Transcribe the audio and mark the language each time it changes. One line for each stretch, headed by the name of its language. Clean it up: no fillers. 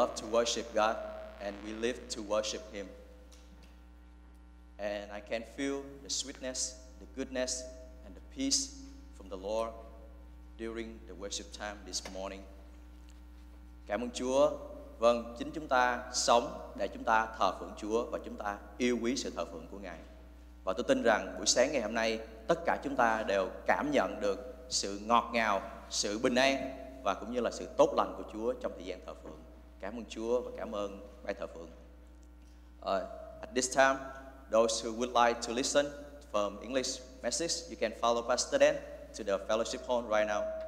English: Worship God, and we live to worship Him. And I can feel the sweetness, the goodness, and the peace from the Lord during the worship time this morning.
Vietnamese: Cảm ơn Chúa. Vâng, chính chúng ta sống để chúng ta thờ phượng Chúa và chúng ta yêu quý sự thờ phượng của Ngài. Và tôi tin rằng buổi sáng ngày hôm nay, tất cả chúng ta đều cảm nhận được sự ngọt ngào, sự bình an và cũng như là sự tốt lành của Chúa trong thời gian thờ phượng. Cảm ơn Chúa và cảm ơn bài thờ phượng.
English: At this time, those who would like to listen from English message, you can follow Pastor Dan to the fellowship hall right now.